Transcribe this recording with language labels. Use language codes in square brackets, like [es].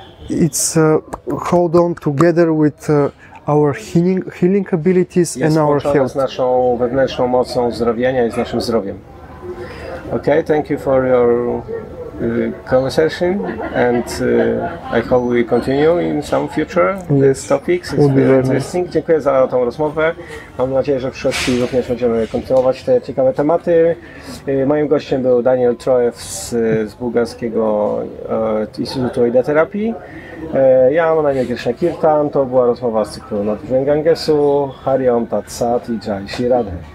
[en] It's hold on together with our healing abilities and our health. [pl] Jest połączone z naszą wewnętrzną mocą uzdrawiania i z naszym zdrowiem. [en] Okay, thank you for your conversation, and I hope we continue in some future. Yes, topics. It's very interesting. [pl] Dziękuję za tą rozmowę. Mam nadzieję, że w przyszłości również będziemy kontynuować te ciekawe tematy. Moim gościem był Daniel Troev z bułgarskiego Instytutu Wooda Therapy. Ja mam na imię Krishna Kirtan. To była rozmowa z cyklu Nadbrzmień Gangesu. Hari Om Tat Sat i Jai Shri Radhe.